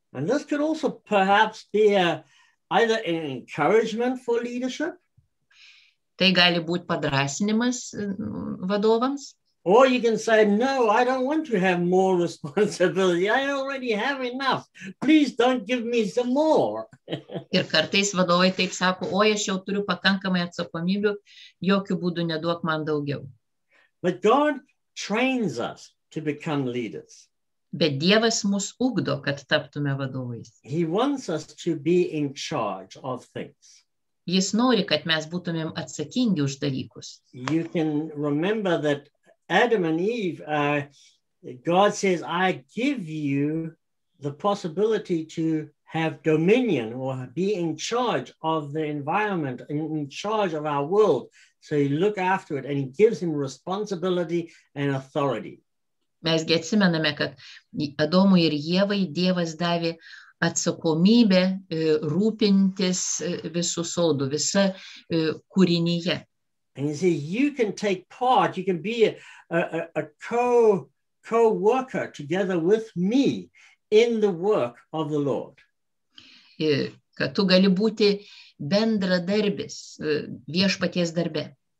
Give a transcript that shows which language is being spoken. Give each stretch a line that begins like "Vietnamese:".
English: And this could also perhaps be either an encouragement for leadership.
Lithuanian: Tai gali būti padrasinimas vadovams.
English: Or you can say, no, I don't want to have more responsibility. I already have enough. Please don't give me some more.
Lithuanian: Ir kartais vadovai taip sako, oi, aš jau turiu pakankamai atsakomybių, jokių būdų neduok man daugiau.
English: But God trains us to become leaders.
Lithuanian: Bet Dievas mus ugdo, kad taptume vadovais.
English: He wants us to be in charge of things.
Lithuanian: Jis nori, kad mes būtumėm atsakingi už dalykus.
English: You can remember that Adam and Eve, God says, I give you the possibility to have dominion or be in charge of the environment and in charge of our world. So he look after it and he gives him responsibility and authority.
Lithuanian: Mes gi atsimename, kad Adomui ir Jėvai Dievas davė atsakomybę rūpintis visų sodų, visą kūrinyje.
English: And you say, you can take part, you can be a co-worker together with me in the work of the Lord.
Lithuanian: Kad tu gali būti bendradarbis viešpaties darbe.